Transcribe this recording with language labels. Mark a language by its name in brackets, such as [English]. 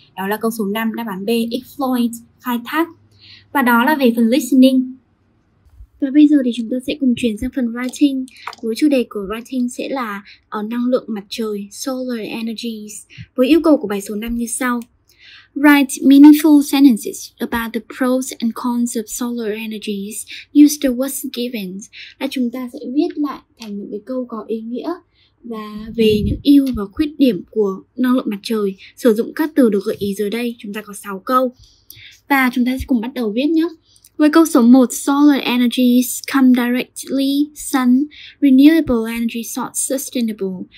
[Vietnamese] Đó là câu số 5, đáp án B, exploit, khai thác. Và đó là về phần listening. Và bây giờ thì chúng ta sẽ cùng chuyển sang phần writing. Với chủ đề của writing sẽ là năng lượng mặt trời, solar energies, với yêu cầu của bài số 5 như sau. [English] Write meaningful sentences about the pros and cons of solar energies. Use the words given. [Vietnamese] Là chúng ta sẽ viết lại thành những cái câu có ý nghĩa và về những ưu và khuyết điểm của năng lượng mặt trời. Sử dụng các từ được gợi ý dưới đây, chúng ta có 6 câu. Và chúng ta sẽ cùng bắt đầu viết nhé. Với câu số 1, [English] solar energies come directly sun, renewable energy source sustainable.